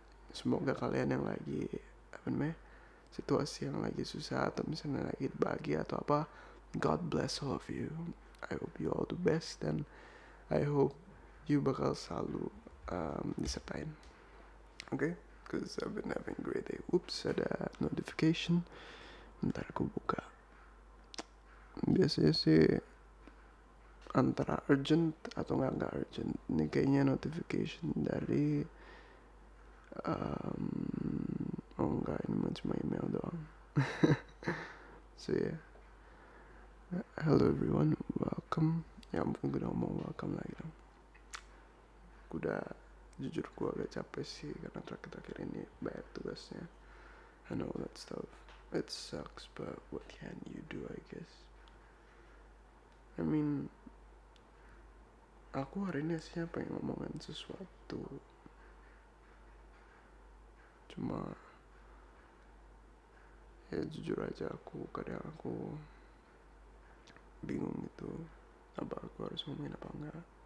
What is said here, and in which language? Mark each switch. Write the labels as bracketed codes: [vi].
[id] Semoga kalian yang lagi apa namanya, situasi yang lagi susah atau misalnya lagi bahagia atau apa, [en] God bless all of you. I hope you all the best, and I hope you [id] bakal selalu disertain. [en] Okay? Because I've been having a great day. Oops, [id] ada notification. Ntar aku buka. Biasanya sih antara urgent atau gak urgent. Ini kayaknya notification dari oh enggak, ini cuma email doang. [en] So yeah, hello everyone, welcome. [id] Ya ampun, gue udah ngomong welcome lagi dong. Gue udah, jujur gue agak capek sih, karena terakhir-terakhir ini banyak tugasnya [en] and all that stuff. It sucks, but what can you do, I guess. [id] I mean, aku hari ini sih pengen ngomongin sesuatu, cuma ya jujur aja, aku kadang aku bingung gitu, apa aku harus ngomongin apa enggak.